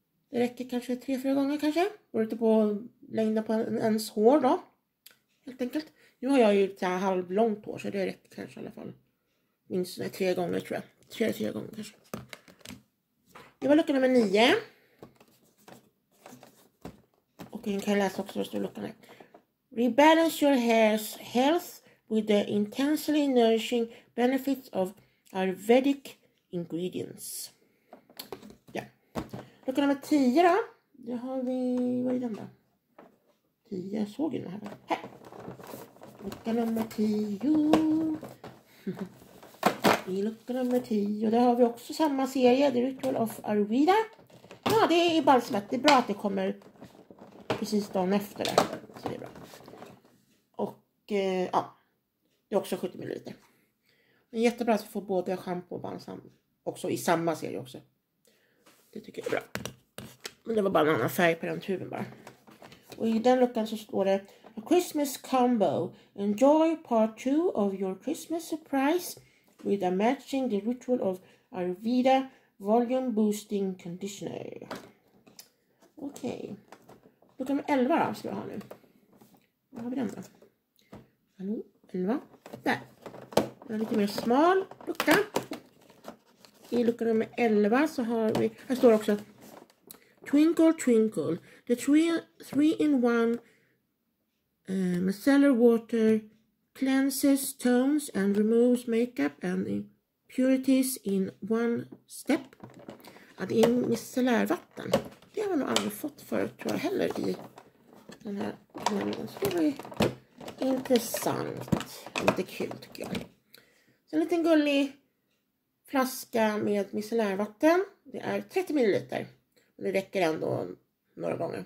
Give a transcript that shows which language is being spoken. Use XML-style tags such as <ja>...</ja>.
<sv>Det räcker kanske 3-4 gånger kanske. Går lite på längden på ens hår då. Helt enkelt. Nu har jag ju så här halvlångt hår så det räcker kanske i alla fall. Minst 3 gånger tror jag. 3-4 gånger kanske. Det var lucka nummer 9. Och jag kan läsa också hur stor luckan är.</sv> <en>Rebalance your hair's health with the intensely nourishing benefits of Ayurvedic ingredients.</en> <sv>Ja. Lucka nummer 10 då. Det har vi... Vad är den då? 10, jag såg ju den här. Här. Lucka nummer 10. I lucka nummer 10. Och där har vi också samma serie. The Ritual of Ayurveda. Ja, det är balsamet. Det är bra att det kommer precis dagen efter det. Så det är bra. Och ja. Det är också 70 ml. Men jättebra att få både shampoo och balsam. Också i samma serie också. Det tycker jag är bra. Men det var bara en annan färg på den tuben bara. Och i den luckan så står det.</sv> <en>A Christmas combo. Enjoy part 2 of your Christmas surprise. With a matching the ritual of Ayurveda volume boosting conditioner. Okej. Okay.</en> <sv>Lucka nummer 11 då, ska jag ha nu. Vad har vi den då? Hallå, 11. Där. Den är lite mer smal lucka. I lucka nummer 11 så har vi... Här står också.</sv> <en>Twinkle, twinkle. The three-in-one micellar water... Cleanses, tones and removes makeup and impurities in one step.</en> <sv>Att in micellärvatten. Det har man nog aldrig fått förut tror jag heller i den här. Så det intressant. Lite kul tycker jag. Så en liten gullig flaska med micellärvatten. Det är 30 ml. Men det räcker ändå några gånger.</sv>